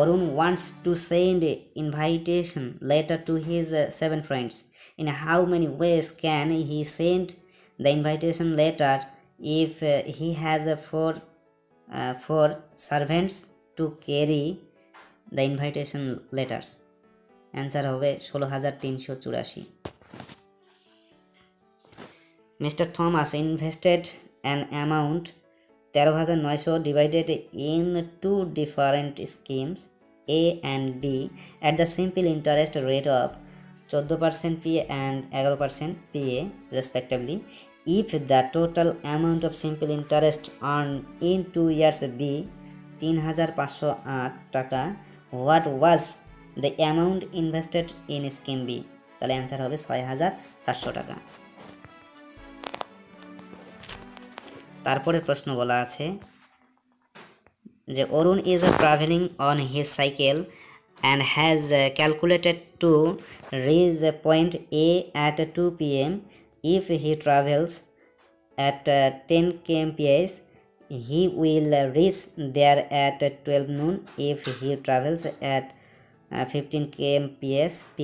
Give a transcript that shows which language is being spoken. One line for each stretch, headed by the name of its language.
English: Arun wants to send invitation letter to his 7 friends, in how many ways can he send the invitation letter if he has a four servants to carry the invitation letters.
Bangla: Answer হবে 16384।
English: Mr. Thomas invested an amount 13,900 divided in two different schemes A and B at the simple interest rate of 14% PA and 11% PA respectively. If the total amount of simple interest earned in 2 years be 3,508 taka, what was the amount invested in scheme B? The answer হবে 6,400 taka.
Bangla: তারপরে প্রশ্ন বলা আছে যে
English: Arun is travelling on his cycle and has calculated to reach point A at 2 PM if he travels at 10 KMPH he will reach there at 12 noon if he travels at 15 KMPH